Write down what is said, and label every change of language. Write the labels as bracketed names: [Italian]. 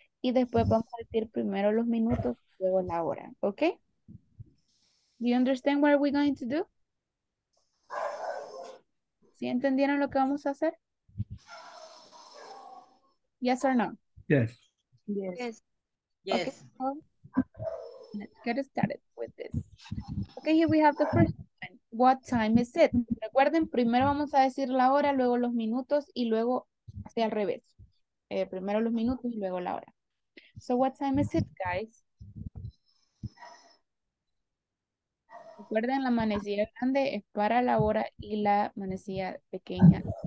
[Spanish] Y después vamos a decir primero los minutos, luego la hora. ¿Ok? [English] Do you understand what we're going to do? [Spanish] ¿Sí entendieron lo que vamos a hacer? [English] Yes or no? Yes. Yes. Yes. Okay. Let's get started with this. Okay, here we have the first one. What time is it? [Spanish] Recuerden, primero vamos a decir la hora, luego los minutos y luego hace al revés. Primero los minutos y luego la hora. [English] So what time is it, guys? [Spanish] Recuerden, la manecilla grande es para la hora y la manecilla pequeña.